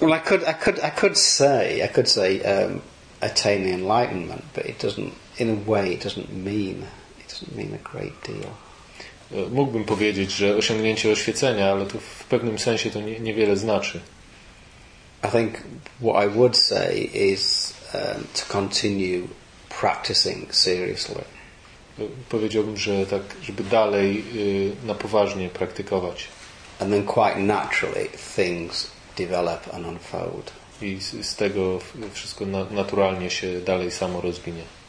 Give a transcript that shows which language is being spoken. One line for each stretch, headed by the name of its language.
English: Well, I could say attaining enlightenment, but it doesn't mean a great deal.
Polish: Mógłbym powiedzieć, że osiągnięcie oświecenia, ale to w pewnym sensie to niewiele znaczy.
English: I think what I would say is to continue practicing seriously.
Polish: Powiedziałbym, że tak, żeby dalej na poważnie praktykować.
English: And then quite naturally things develop and unfold.
Polish: I z tego wszystko naturalnie się dalej samo rozwinie.